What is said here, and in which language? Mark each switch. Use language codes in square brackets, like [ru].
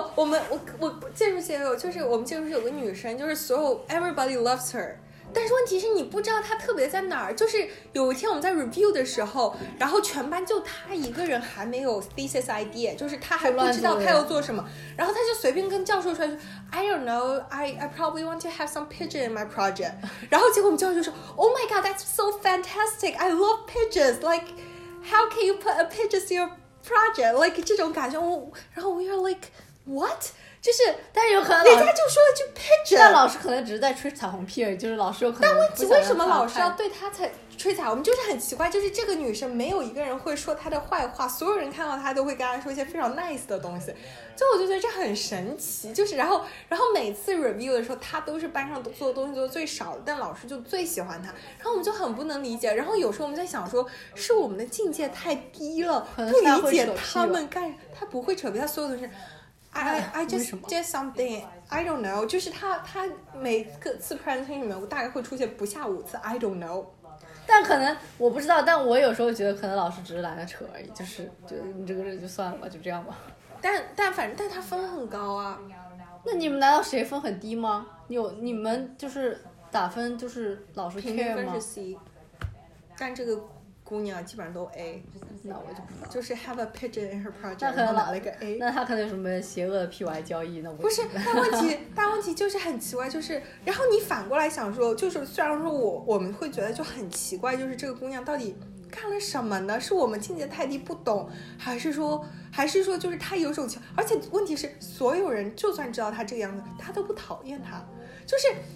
[zh] 我们建筑系有，就是我们建筑系有个女生，就是所有 [en] everybody loves her， [zh] 但是问题是你不知道她特别在哪儿。就是有一天我们在 review 的时候，然后全班就她一个人还没有 thesis idea， 就是她还不知道她要做什么，然后她就随便跟教授说就 [en] I don't know, I probably want to have some pigeon in my project. [zh] 然后结果我们教授就说 [en] Oh my god, that's so fantastic, I love pigeons. Like, how can you put a pigeon in your project? Like, [zh] 这种感觉。 [en] 然后 we are like, what? [zh] 就是，但有可能人家就说了句 pigeon。但老师可能只是在吹彩虹屁而已，就是老师有可能。但问题为什么老师要对他才吹彩虹，就是很奇怪。就是这个女生没有一个人会说她的坏话，所有人看到她都会跟她说一些非常 nice 的东西，所以我就觉得这很神奇。就是然后每次 review 的时候她都是班上做的东西做的最少，但老师就最喜欢她，然后我们就很不能理解。然后有时候我们在想说是我们的境界太低了，不理解他们干，她不会扯皮，她所有的事 [en] I just did something I don't know， [zh] 就是他每个次 presentation 里面大概会出现不下五次 [en] I don't know， [zh] 但可能我不知道，但我有时候觉得可能老师只是懒得扯而已，就是觉得你这个人就算了吧，就这样吧。但反正但他分很高啊，那你们难道谁分很低吗？你们就是打分就是老师 care 吗？平均分是 C， 但这个姑娘基本上都 A，那我就不知道，就是 [en] have a pigeon in her project， [zh] 然后拿了一个 A，那她可能有什么邪恶的 PY 交易，那我不是，大问题就是很奇怪，就是然后你反过来想说，就是虽然说我们会觉得就很奇怪，就是这个姑娘到底干了什么呢？是我们境界太低不懂，还是说就是她有种情，而且问题是所有人就算知道她这个样子，她都不讨厌她，就是